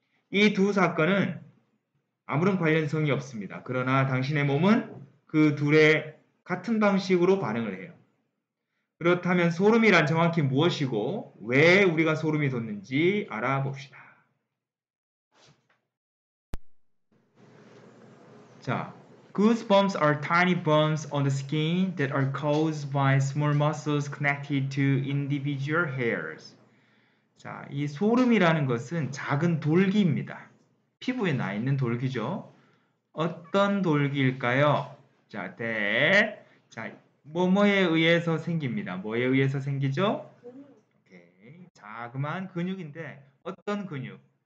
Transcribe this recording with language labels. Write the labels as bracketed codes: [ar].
[ko] 이 두 사건은 아무런 관련성이 없습니다. 그러나 당신의 몸은 그 둘의 같은 방식으로 반응을 해요. 그렇다면 소름이란 정확히 무엇이고 왜 우리가 소름이 돋는지 알아봅시다. [en] 자, goosebumps are tiny bumps on the skin that are caused by small muscles connected to individual hairs. [ko] 자, 이 소름이라는 것은 작은 돌기입니다. 피부에 나 있는 돌기죠. 어떤 돌기일까요? 자, 네. 자, 뭐뭐에 의해서 생깁니다. 뭐에 의해서 생기죠? 오케이. 자그마한 근육인데 어떤 근육?